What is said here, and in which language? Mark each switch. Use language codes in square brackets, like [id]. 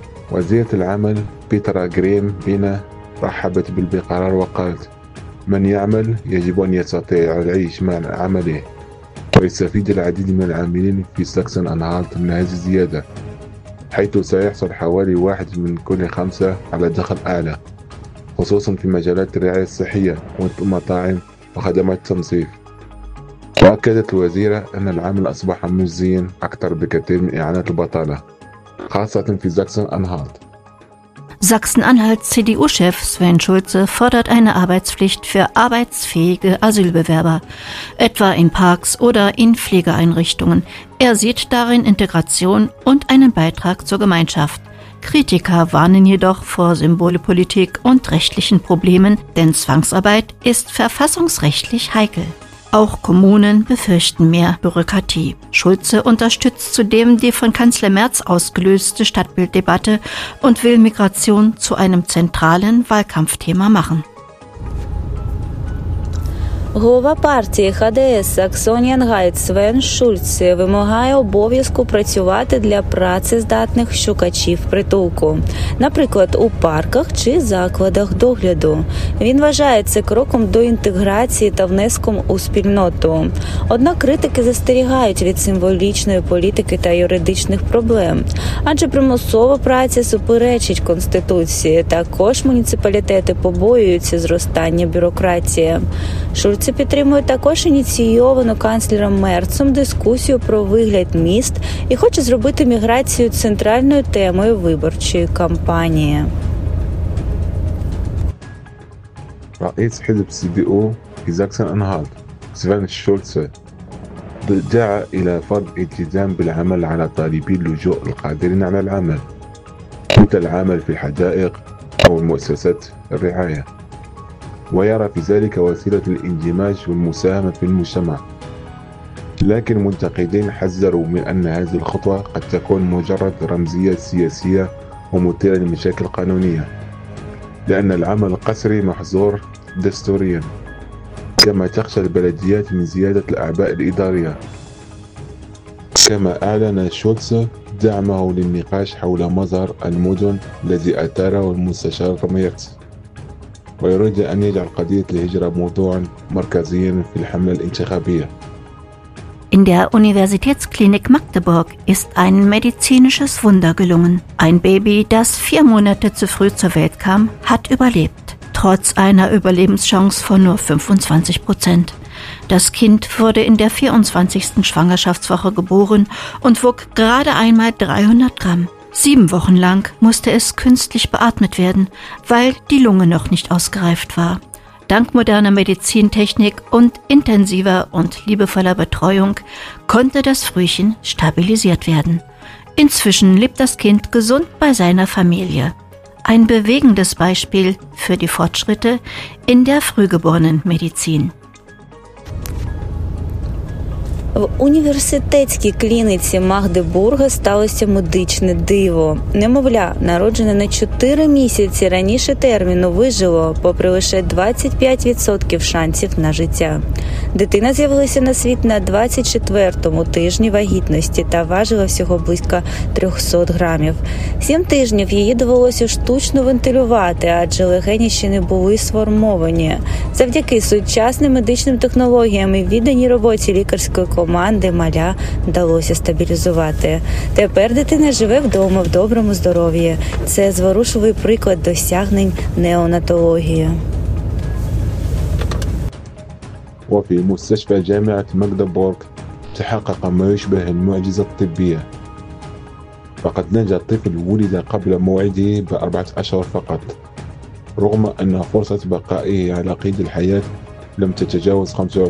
[ar] وزيرة العمل بيترا غريم بينا رحبت بالقرار وقالت: من يعمل يجب أن يستطيع العيش مع عمله، ويستفيد العديد من العاملين في ساكسون-أنهالت من هذه الزيادة، حيث سيحصل حوالي واحد من كل خمسة على دخل أعلى، خصوصا في مجالات الرعاية الصحية والمطاعم وخدمات التنظيف. وأكدت الوزيرة أن العمل أصبح مجزيا أكثر بكثير من إعانة البطالة، خاصة في ساكسون-أنهالت. [de] Sachsen-Anhalts CDU-Chef Sven Schulze fordert eine Arbeitspflicht für arbeitsfähige Asylbewerber, etwa in Parks oder in Pflegeeinrichtungen. Er sieht darin Integration und einen Beitrag zur Gemeinschaft. Kritiker warnen jedoch vor Symbolpolitik und rechtlichen Problemen, denn Zwangsarbeit ist verfassungsrechtlich heikel. Auch Kommunen befürchten mehr Bürokratie. Schulze unterstützt zudem die von Kanzler Merz ausgelöste Stadtbilddebatte und will Migration zu einem zentralen Wahlkampfthema machen. [uk] Голова партії ХДС Саксоніан Гайт Свен Шульце вимагає обов'язку працювати для працездатних шукачів притулку, наприклад, у парках чи закладах догляду. Він вважає це кроком до інтеграції та внеском у спільноту. Однак критики застерігають від символічної політики та юридичних проблем, адже примусова праця суперечить Конституції. Також муніципалітети побоюються зростання бюрократії. Шульце підтримує також ініційовану канцлером Мерцем дискусію про вигляд міст і хоче зробити міграцію центральною темою виборчої кампанії. [ar] رئيس حزب CDU في ساكسن-أنهالت سفن شولتس دعا إلى فرض التزام بالعمل على طالبي اللجوء القادرين على العمل مثل العمل في الحدائق أو المؤسسات الرعاية، ويرى في ذلك وسيلة الاندماج والمساهمة في المجتمع. لكن منتقدين حذروا من أن هذه الخطوة قد تكون مجرد رمزية سياسية ومثيرة لمشاكل قانونية، لأن العمل القسري محظور دستوريا، كما تخشى البلديات من زيادة الأعباء الإدارية. كما أعلن شولتس دعمه للنقاش حول مظهر المدن الذي أثاره المستشار ميرتس، ويريد أن يجعل قضية الهجرة موضوعا مركزيا في الحملة الانتخابية. [de] In der Universitätsklinik Magdeburg ist ein medizinisches Wunder gelungen. Ein Baby, das 4 Monate zu früh zur Welt kam, hat überlebt, trotz einer Überlebenschance von nur 25%. Das Kind wurde in der 24. Schwangerschaftswoche geboren und wog gerade einmal 300 Gramm. 7 Wochen lang musste es künstlich beatmet werden, weil die Lunge noch nicht ausgereift war. Dank moderner Medizintechnik und intensiver und liebevoller Betreuung konnte das Frühchen stabilisiert werden. Inzwischen lebt das Kind gesund bei seiner Familie. Ein bewegendes Beispiel für die Fortschritte in der Frühgeborenenmedizin. [uk] В університетській клініці Магдебурга сталося медичне диво. Немовля, народжене на 4 місяці раніше терміну, вижило, попри лише 25% шансів на життя. Дитина з'явилася на світ на 24-му тижні вагітності та важила всього близько 300 грамів. 7 тижнів її довелося штучно вентилювати, адже легені ще не були сформовані. Завдяки сучасним медичним технологіям і відданій роботі лікарської команди маля вдалося стабілізувати. Тепер дитина живе вдома в доброму здоров'ї. Це зворушливий приклад досягнень неонатології. [ar] وفي مستشفى جامعة ماغدبورغ تحقق ما يشبه المعجزة الطبية، فقد نجا طفل ولد قبل موعده ب4 أشهر فقط، رغم أن فرصة بقائه على قيد الحياة لم تتجاوز 25%.